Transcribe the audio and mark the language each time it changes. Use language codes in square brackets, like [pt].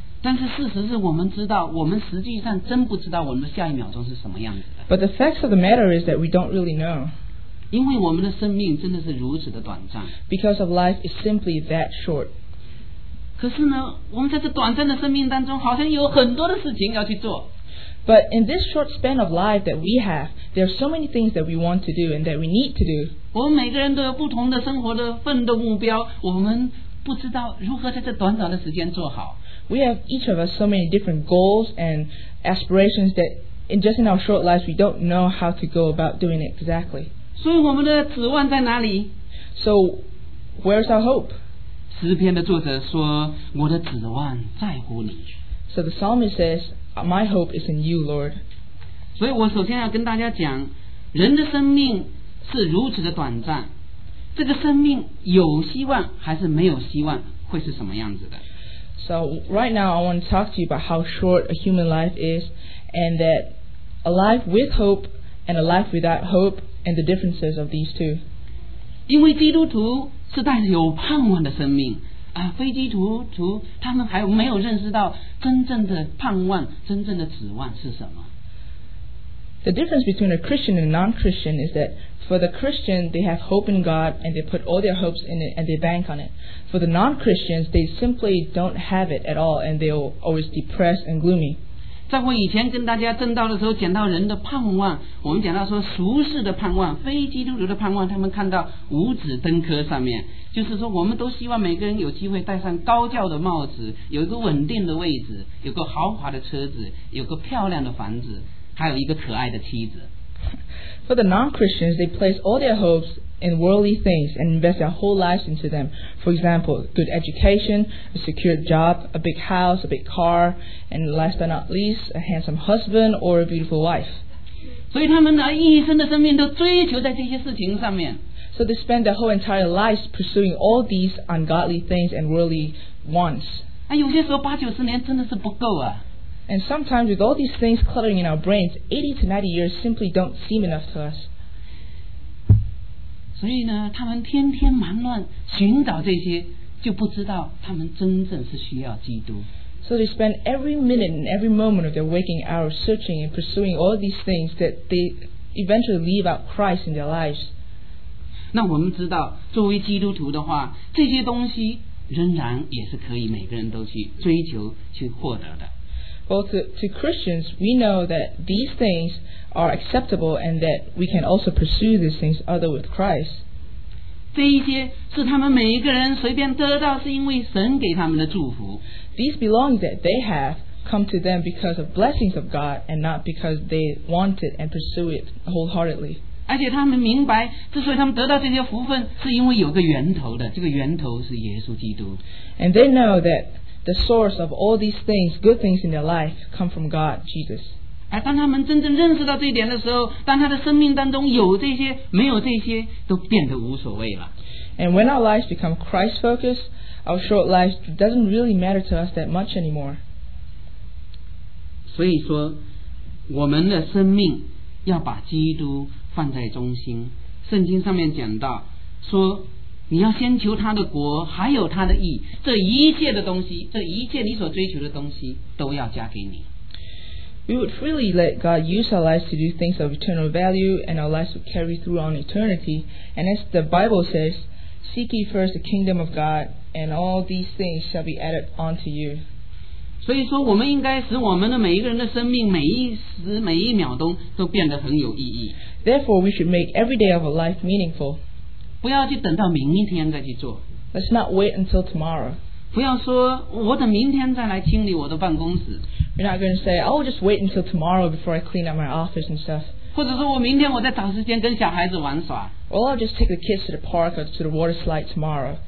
[zh] 但是事实是我们知道，我们实际上真不知道我们的下一秒钟是什么样子的。 [en] But the facts of the matter is that we don't really know. [zh] 因为我们的生命真的是如此的短暂 [en] Because of life is simply that short [zh] 可是呢我们在这短暂的生命当中好像有很多的事情要去做 [en] But in this short span of life that we have There are so many things that we want to do and that we need to do [zh] 我们每个人都有不同的生活的奋斗目标我们不知道如何在这短短的时间做好 [en] We have each of us so many different goals and aspirations that in just in our short lives we don't know how to go about doing it exactly [zh] 所以我们的指望在哪里 [en] So where's our hope? [zh] 诗篇的作者说我的指望在乎你 [en] So the psalmist says My hope is in you Lord [zh] 所以我首先要跟大家讲人的生命是如此的短暂这个生命有希望还是没有希望会是什么样子的 [en] So right now I want to talk to you about how short a human life is and that a life with hope and a life without hopeand the differences of these two. [zh] 因为基督徒是带着有盼望的生命非基督徒他们还没有认识到真正的盼望真正的指望是什么。 [en] The difference between a Christian and a non-Christian is that for the Christian, they have hope in God and they put all their hopes in it and they bank on it. For the non-Christians, they simply don't have it at all and they're always depressed and gloomy. [zh] 在我以前跟大家证道的时候讲到人的盼望我们讲到说俗世的盼望非基督徒的盼望他们看到五子登科上面就是说我们都希望每个人有机会戴上高教的帽子有一个稳定的位置有个豪华的车子有个漂亮的房子还有一个可爱的妻子 [en] For the non-Christians they place all their hopes in worldly things and invest their whole lives into them for example good education a secure job a big house a big car and last but not least a handsome husband or a beautiful wife so they spend their whole entire lives pursuing all these ungodly things and worldly wants [zh] 有些时候八九十年真的是不够啊 [en] and sometimes with all these things cluttering in our brains 80 to 90 years simply don't seem enough to us [zh] 所以呢他们天天忙乱寻找这些就不知道他们真正是需要基督 [en] So they spend every minute and every moment of their waking hours searching and pursuing all these things that they eventually leave out Christ in their lives [zh] 那我们知道作为基督徒的话，这些东西仍然也是可以每个人都去追求去获得的。 [en] Well, to Christians, we know that these things are acceptable and that we can also pursue these things other with Christ. [zh] 这一些是他们每一个人随便得到，是因为神给他们的祝福。 [en] These belongings that they have come to them because of blessings of God and not because they want it and pursue it wholeheartedly. [zh] 而且他们明白，之所以他们得到这些福分，是因为有个源头的，这个源头是耶稣基督。 [en] And they know that. The source of all these things, good things in their life, come from God, Jesus. [zh] 而当他们真正认识到这一点的时候，当他的生命当中有这些，没有这些，都变得无所谓了。 [en] And when our lives become Christ-focused, our short life doesn't really matter to us that much anymore. [zh] 所以说，我们的生命要把基督放在中心。圣经上面讲到说。你要先求他的国还有他的义，这一切的东西，这一切你所追求的东西都要加给你。 [en] We would freely let God use our lives to do things of eternal value and our lives to carry through on eternity, and as the Bible says, seek ye first the kingdom of God and all these things shall be added unto you. [zh] 所以说我们应该使我们的每一个人的生命每一时每一秒钟都变得很有意义。 [en] Therefore we should make every day of our life meaningful. [zh] 不要去等到明一天再去做。 [en] Let's not wait until tomorrow. [zh] 不要说我等明天再来清理我的办公室。 [en] You're not going to say, I'll just wait until tomorrow before I clean up my office and stuff. [zh] 或者说我明天我再找时间跟小孩子玩耍。 [en] Or I'll just take the kids to the park or to the water slide tomorrow.